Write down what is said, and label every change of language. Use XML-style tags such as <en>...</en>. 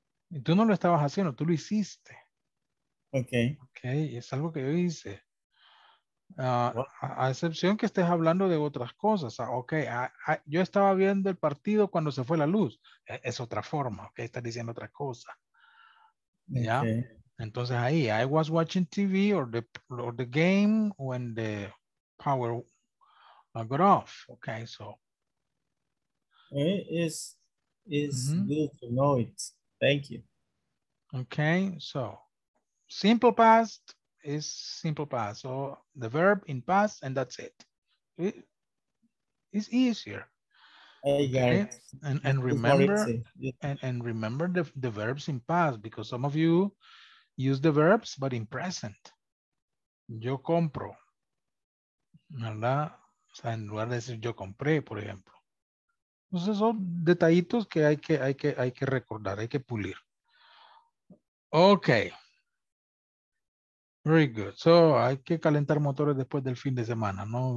<es>Y tú no lo estabas haciendo, tú lo hiciste. Okay. Okay, es algo que yo hice. A excepción que estés hablando de otras cosas, okay, yo estaba viendo el partido cuando se fue la luz, es otra forma, okay, estás diciendo otra cosa, okay. Ya, entonces ahí,</es> <en>I was watching TV or the game when the power got off, okay, so it's mm-hmm. good to know it, thank you. Okay, so simple past is simple past, so the verb in past and that's it. It's easier. I got okay. it. And remember it. Yeah. And remember the verbs in past because some of you use the verbs but in present.</en> <es>Yo compro, ¿verdad? O sea, en lugar de decir yo compré, por ejemplo. Entonces son detallitos que hay que recordar, hay que pulir. Okay.</es> <en>Very good.</en> <es>So, hay que calentar motores después del fin de semana, ¿no?</es>